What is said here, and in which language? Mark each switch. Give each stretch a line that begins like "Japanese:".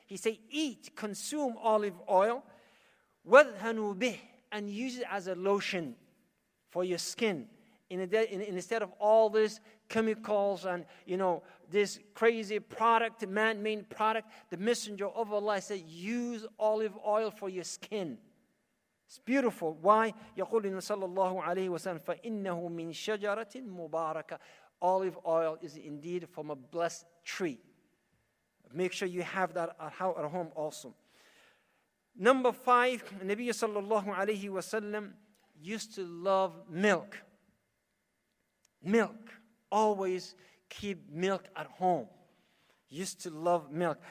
English: He say, eat, consume olive oil.
Arabic: Wadhanu bih.
English: And use it as a lotion for your skin. instead of all these chemicals and, you know, this crazy product, man-made product, the messenger of Allah said, use olive oil for your skin. It's beautiful. Why?
Arabic: يقول إن صلى الله عليه وسلم فإنه من شجرة مباركة.
English: Olive oil is indeed from a blessed tree. Make sure you have that at home also. Number five, Nabi صلى الله عليه وسلم used to love milk. Milk. Always keep milk at home. Used to love milk.